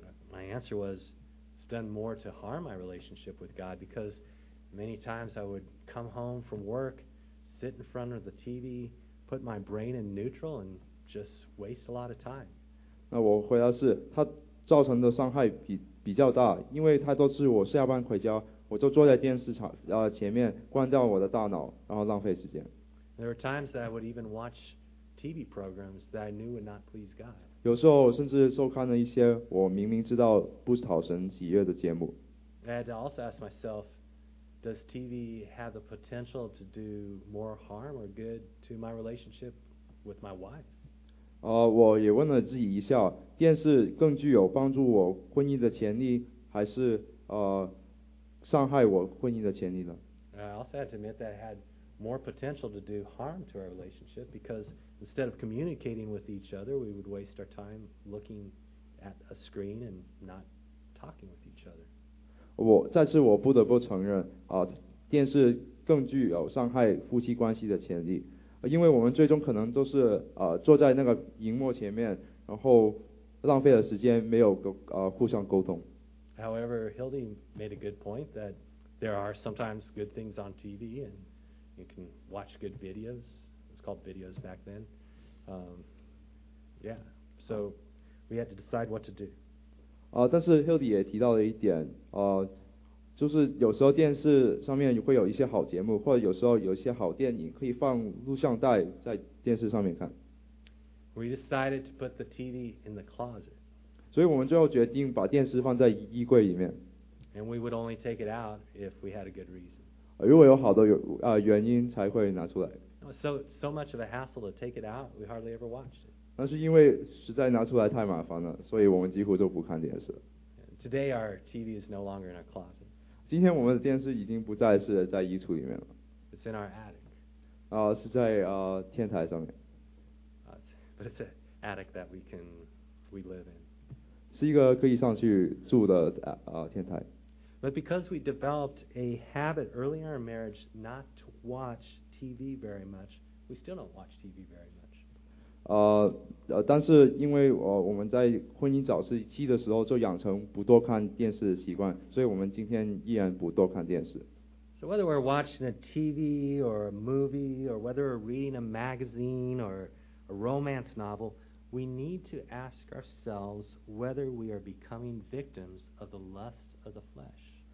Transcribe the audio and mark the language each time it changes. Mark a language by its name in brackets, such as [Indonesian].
[English] My answer was, it's done more to harm my relationship with God, because many times I would come home from work, sit in front of the TV, put my brain in neutral, and just waste a lot of time. [Chinese] 那我回答是，它造成的伤害比较大，因为太多次我下班回家，我就坐在电视前面，关掉我的大脑，然后浪费时间。 [English] There were times that I would even watch TV programs that I knew would not please God. [Chinese] 有时候甚至收看了一些我明明知道不讨神喜悦的节目。 [English] I had to also ask myself, does TV have the potential to do more harm or good to my relationship with my wife? [Chinese] 我也问了自己一下，电视更具有帮助我婚姻的潜力，还是伤害我婚姻的潜力呢？ [English] I also had to admit that I had more potential to do harm to our relationship, because instead of communicating with each other, we would waste our time looking at a screen and not talking with each other. [Chinese] 再次我不得不承认，电视更具有伤害夫妻关系的潜力，因为我们最终可能都是坐在那个荧幕前面，然后浪费了时间，没有互相沟通。 [English] However, Hildy made a good point that there are sometimes good things on TV, and you can watch good videos. It's called videos back then. So we had to decide what to do. [Chinese] 但是 Hildy 也提到了一点，就是有时候电视上面会有一些好节目，或者有时候有一些好电影，可以放录像带在电视上面看。 [English] We decided to put the TV in the closet. [Chinese] 所以我们最后决定把电视放在衣柜里面。 [English] And we would only take it out if we had a good reason. [Chinese] 如果有好的原因才会拿出来。 [English] So much of a hassle to take it out, we hardly ever watched it. [Chinese] 那是因为实在拿出来太麻烦了，所以我们几乎就不看电视。 [English] Today our TV is no longer in our closet. [Chinese] 今天我们的电视已经不再是在衣橱里面了。 [English] It's in our attic. [Chinese] 是在天台上面。 [English] But it's an attic that we live in. [Chinese] 是一个可以上去住的天台。 [English] But because we developed a habit early in our marriage not to watch TV very much, we still don't watch TV very much. [Chinese] 但是因为我们在婚姻早期的时候就养成不多看电视的习惯，所以我们今天依然不多看电视。 [English] So whether we're watching a TV or a movie or whether we're reading a magazine or a romance novel, we need to ask ourselves whether we are becoming victims of the lust of the flesh.